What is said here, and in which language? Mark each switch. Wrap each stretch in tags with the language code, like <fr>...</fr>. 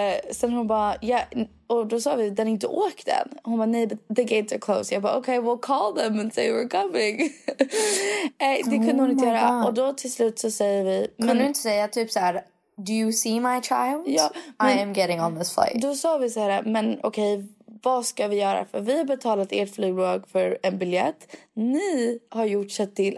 <sv>Sen hon bara, ja, och då sa vi, den inte åkt än. Hon bara, nej,</sv> <en>the gates are closed.</en> <sv>Jag bara, okej,</sv> <en>okay, we'll call them and say we're coming.</en> <sv>det kunde hon inte göra. God. Och då till slut så säger vi... Men du inte säga typ så här,</sv> <en>do you see my child?</en> <sv>Ja,</sv> <en>men, I am getting on this flight.</en> <sv>Då sa vi så här, men okej. Okay, vad ska vi göra? För vi har betalat ert flygbolag för en biljett. Ni har gjort sig till...</sv>